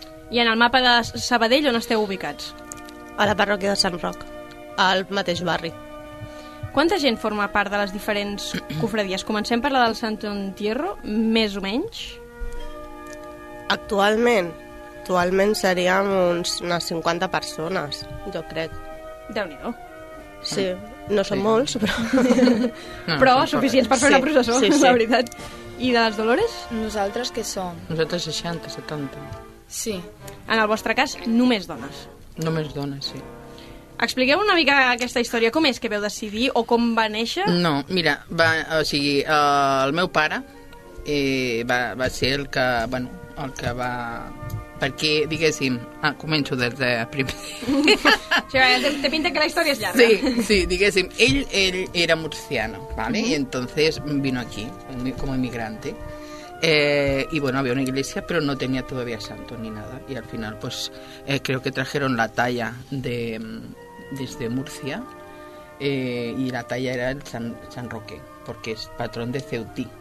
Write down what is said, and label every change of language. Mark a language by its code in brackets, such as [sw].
[ca] I en el mapa de Sabadell, on esteu ubicats? A la parròquia de Sant Roc, al mateix barri. Quanta gent forma part de les diferents cofradies? Comencem per la del Santo Entierro, més o menys? Actualment seríem unes 50 persones, jo crec. Déu-n'hi-do. Sí. No són molts, però... però suficients per fer una processó, la veritat. I de les Dolores? Nosaltres què som? Nosaltres 60, 70. Sí. En el vostre cas, només dones? Només dones, sí. Expliqueu una mica aquesta història. Com és que veu decidir o com va néixer? No, mira, el meu pare va ser el que, bueno, el que va... Perquè, diguéssim... Ah, començo des de primer. Te pinta que la història és llarga. Sí, sí, diguéssim. Ell era murciano, ¿vale? [es] Y entonces vino aquí, como inmigrante. Y bueno, había una iglesia, pero no tenía todavía santo ni nada. Y al final, pues, creo que trajeron la talla desde Murcia. Y la talla era el San Roque, porque es patrón de Ceutí.